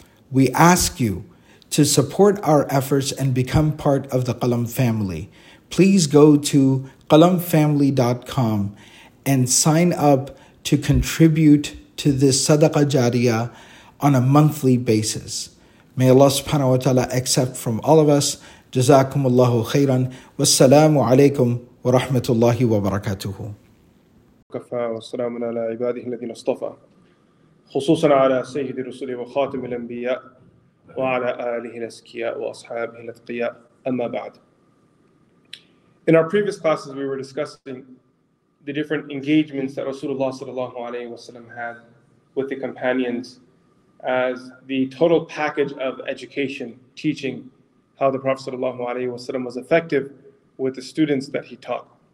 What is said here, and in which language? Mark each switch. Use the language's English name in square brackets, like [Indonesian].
[English] We ask you to support our efforts and become part of the Qalam family. Please go to qalamfamily.com and sign up to contribute to this Sadaqah Jariyah on a monthly basis. May Allah subhanahu wa ta'ala accept from all of us. [Arabic] جزاكم الله خيرا والسلام عليكم ورحمة الله وبركاته. كفى والسلام على عباده الذين اصطفى خصوصا على سيد الرسل وخاتم الأنبياء وعلى آله الأزكياء وأصحابه الأتقياء أما بعد. [English] In our previous classes, we were discussing the different engagements that Rasulullah صلى الله عليه وسلم had with the companions as the total package of education, teaching. How the Prophet ﷺ was effective with the students that he taught.